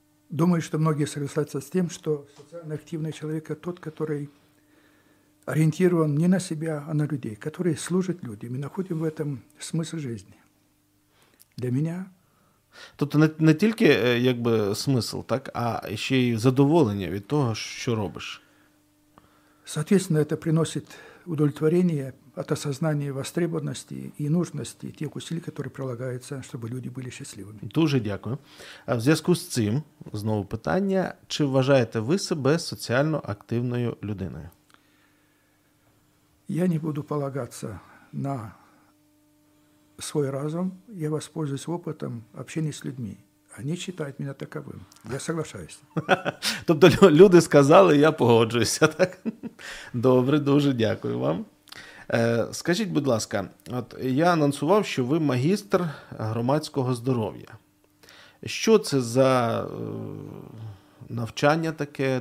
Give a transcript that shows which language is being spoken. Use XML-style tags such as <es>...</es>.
<uk>Думаю, що</uk> <ru>многие согласятся</ru> <uk>з тим, що соціально активний чоловік – той, який орієнтирован не на себе, а на людей, який служить людям, і знаходимо в цьому смисл життя. Для мене… Тобто не тільки якби смисл, так, а ще й задоволення від того, що робиш.</uk> <ru>Соответственно, это приносит удовлетворение от осознания востребованности и нужности тех усилий, которые прилагаются, чтобы люди были счастливыми.</ru> <uk>Дуже дякую. А в зв'язку з цим, знову питання, чи вважаєте ви себе соціально активною людиною?</uk> <ru>Я не буду полагаться на свой разум, я воспользуюсь опытом общения с людьми.</ru> <uk>Вони вважають мене таковим.</uk> <ru>Я соглашаюся.</ru> <uk>Тобто люди сказали, я погоджуюся, так? Добре, дуже дякую вам. Скажіть, будь ласка, от я анонсував, що ви магістр громадського здоров'я. Що це за навчання таке?</uk>